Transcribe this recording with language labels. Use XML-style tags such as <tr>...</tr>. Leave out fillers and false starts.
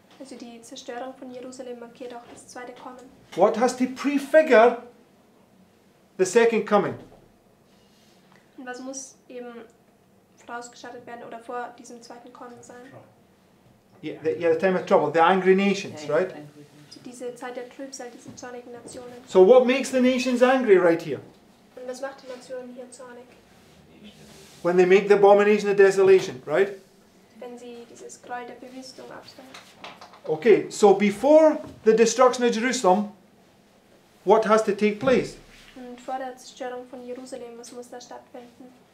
<de>Also die Zerstörung von Jerusalem markiert auch das zweite Kommen.</de> <en>What has to prefigure the second coming?</en> <de>Und was muss eben vorausgeschattet werden oder vor diesem zweiten Kommen sein?</de> <en>Yeah, the time of trouble, the angry nations, right?</en> <de>Diese Zeit der Trübsal, diese zornigen Nationen.</de> <en>So what makes the nations angry right here?</en> <de>Und was macht die Nationen hier zornig?</de> <en>When they make the abomination of desolation, right?</en> <de>Wenn sie dieses Gräuel der Verwüstung abstellen.</de> <en>Okay, so before the destruction of Jerusalem, what has to take place?</en> <de>Und vor der Zerstörung von Jerusalem, was muss da stattfinden?</de>